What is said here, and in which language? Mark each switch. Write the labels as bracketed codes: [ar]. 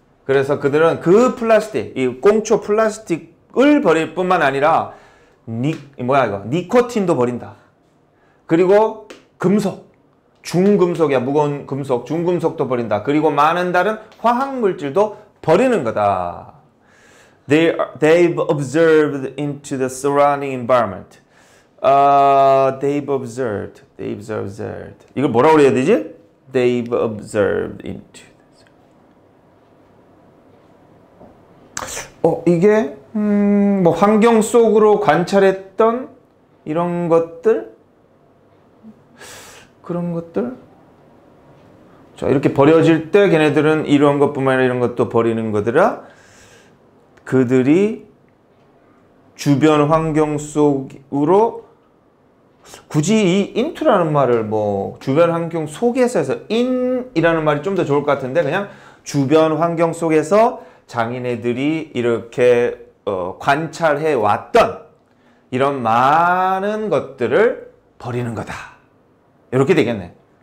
[ko] 그래서 그들은 그 플라스틱, 이 꽁초 플라스틱을 버릴 뿐만 아니라 니코틴도 버린다. 그리고 금속, 중금속이야, 무거운 금속, 중금속도 버린다. 그리고 많은 다른 화학물질도 버리는 거다. [en] They've observed into the surrounding environment. They've observed. [ko] 이걸 뭐라고 해야 되지? [en] They've observed into the surrounding. [ko] 이게 뭐 환경 속으로 관찰했던 이런 것들? 그런 것들? 자, 이렇게 버려질 때 걔네들은 이런 것뿐만 아니라 이런 것도 버리는 거더라. 그들이 주변 환경 속으로 굳이 이 into라는 말을 뭐 주변 환경 속에서 해서 in이라는 말이 좀 더 좋을 것 같은데 그냥 주변 환경 속에서 장인애들이 이렇게 관찰해 왔던 이런 많은 것들을 버리는 거다. 이렇게 되겠네.